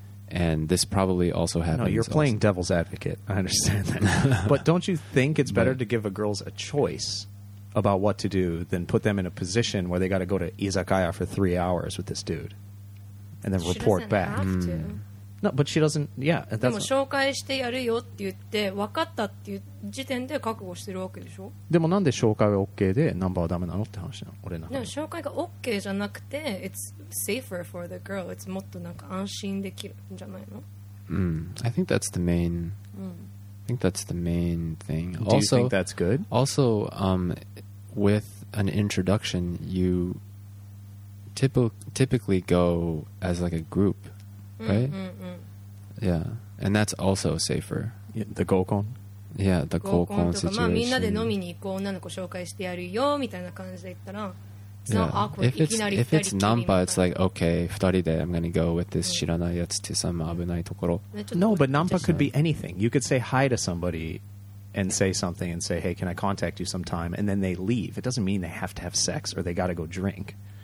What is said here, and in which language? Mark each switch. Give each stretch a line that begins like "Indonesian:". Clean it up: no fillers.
English: And this probably also happens. No, you're playing devil's advocate. I understand that. But don't you think it's better to give a girl a choice about what to do than put them in a position where they got to go to izakaya for 3 hours with this dude and then report back? She doesn't have to. No, but she doesn't. Yeah, that's.
Japanese: でも紹介してやるよって言って分かったっていう時点で覚悟してるわけでしょ。でもなんで紹介は OK でナンバーはダメなのって話なの？俺なんか。でも紹介が OK じゃなくて、
English: it's safer for the girl. It's
Japanese: もっとなんか安心できるんじゃないの？
English: I think that's the main. I think that's the main thing. Do also, you think that's good? Also, with an introduction, you typically go as like a group, right? Yeah, and that's also safer. Yeah, the gokon. Yeah, the gokon situation.
Japanese: まあみんなで飲みに行こう、女の子紹介してやるよみたいな感じで言ったら、
English: If it's nanpa, it's like okay,
Japanese: 2 de,
English: I'm gonna go with this
Japanese: shiranai yatsu
English: to some
Japanese: abunai tokoro.
English: No, but nanpa could be anything. You could say hi to somebody and say something and say, hey, can I contact you sometime? And then they leave. It doesn't mean they have to have sex or they gotta go drink.